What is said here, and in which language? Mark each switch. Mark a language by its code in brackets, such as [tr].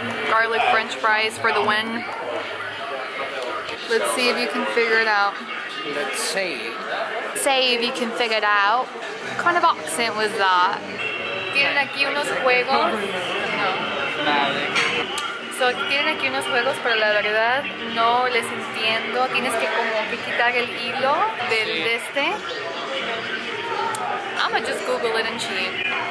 [en] Garlic French fries for the win. Let's see if you can figure it out. Let's see. Say if you can figure it out. What kind of accent was that? [es] Tienen aquí unos juegos. So tienen aquí unos juegos, pero la verdad no les entiendo. Tienes que como que quitar el hilo del de este. [en] I'ma just Google it and cheat.